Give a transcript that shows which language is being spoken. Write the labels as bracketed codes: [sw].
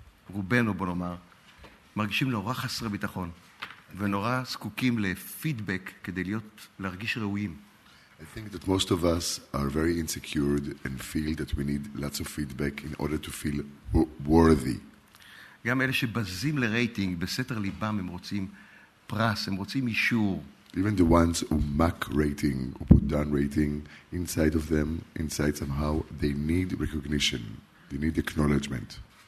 [he] רובנו, בוא נאמר, מרגישים נורא חסרי ביטחון ונורא זקוקים לפידבק כדי להיות, להרגיש ראויים. [en] I think that most of us are very insecure and feel that we need lots of feedback in order to feel worthy. [he] גם אלה שבזים לרייטינג, בסתר ליבם הם רוצים פרס, הם רוצים אישור. [en] Even the ones who mock rating or put down rating inside of them, inside somehow, they need recognition, they need acknowledgement.